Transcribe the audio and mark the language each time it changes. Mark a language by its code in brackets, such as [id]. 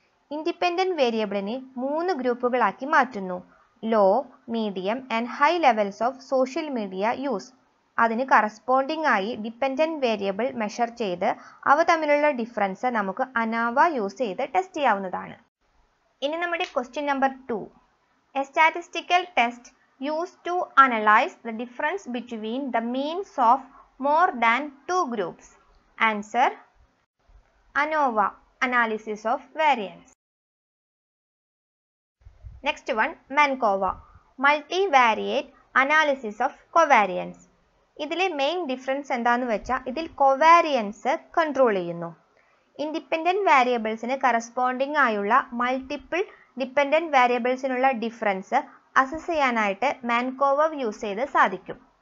[ml] Independent വേരിയബിളിനെ മൂന്ന് ഗ്രൂപ്പുകളാക്കി മാറ്റുന്നു: law, medium and high levels of social media use. അതിന് കറസ്പോണ്ടിംഗ് ആയി ഡിപ്പെൻഡൻറ്റ് വേരിയബിൾ മെഷർ ചെയ്ത് അവ തമ്മിലുള്ള ഡിഫറൻസ് നമുക്ക് അനോവ യൂസ് ചെയ്ത് ടെസ്റ്റ് ചെയ്യാവുന്നതാണ്. ഇനി നമ്മുടെ question number 2. [en] A statistical test used to analyze the difference between the means of more than two groups. Answer: ANOVA, analysis of variance. Next one, MANCOVA, multivariate analysis of covariance. [ml] ഇതിലെ main difference എന്താന്ന് വെച്ചാൽ ഇതിൽ കോവാരിയൻസ് control ചെയ്യുന്നു. Independent വേരിയബിൾസിന് corresponding ആയുള്ള multiple dependent വേരിയബിൾസിനുള്ള difference assess ചെയ്യാനായിട്ട് മാൻകോവ use ചെയ്ത് സാധിക്കും.